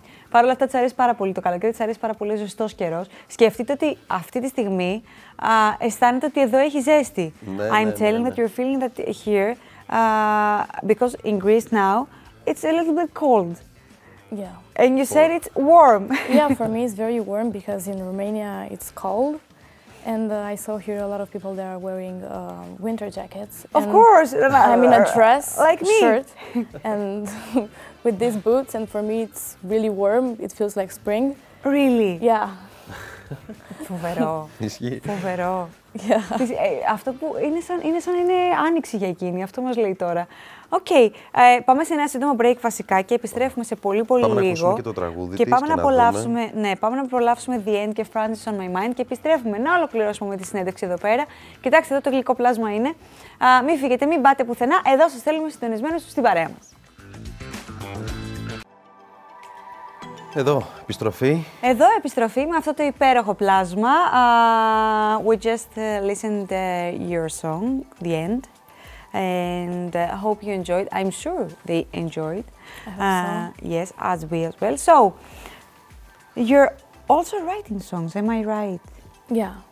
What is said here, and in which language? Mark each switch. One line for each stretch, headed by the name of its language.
Greek: Παρ' όλα αυτά, της αρέσει πάρα πολύ το καλοκαίρι, της αρέσει πάρα πολύ ζεστός καιρός. Σκεφτείτε ότι αυτή τη στιγμή αισθάνεται ότι εδώ έχει ζέστη. Ναι,
English: I'm telling that you're feeling that here, because in Greece now, it's a little bit cold. Yeah. And you said it's warm. Yeah, for me it's very warm because in Romania it's cold. And I saw here a lot of people that are wearing winter jackets. Of course! I'm in a dress, like me. Shirt, and with these boots, and for me it's really warm. It feels like spring. Really? Yeah.
Greek: Φοβερό. Ισχύει. Φοβερό.
English: Yeah.
Greek: Αυτό που είναι σαν είναι άνοιξη για εκείνη, αυτό μας λέει τώρα. Οκ, πάμε σε ένα σύντομο break φασικά και επιστρέφουμε σε πολύ πάμε λίγο. Πάμε να ακούσουμε και το τραγούδι και της πάμε και να απολαύσουμε, δούμε. Ναι, πάμε να απολαύσουμε The End και Francis on My Mind και επιστρέφουμε να ολοκληρώσουμε με τη συνέντευξη εδώ πέρα. Κοιτάξτε εδώ το γλυκό πλάσμα είναι. Μην φύγετε, μην πάτε πουθενά, εδώ σας θέλουμε συντονισμένους στην παρέα μας. Εδώ, επιστροφή. Εδώ, επιστροφή με αυτό το υπέροχο πλάσμα.
English: We just listened your song, The End. And hope you enjoyed. I'm sure they enjoyed. I hope so. Yes, as we as well. So, you're also writing songs, am I right? Yeah.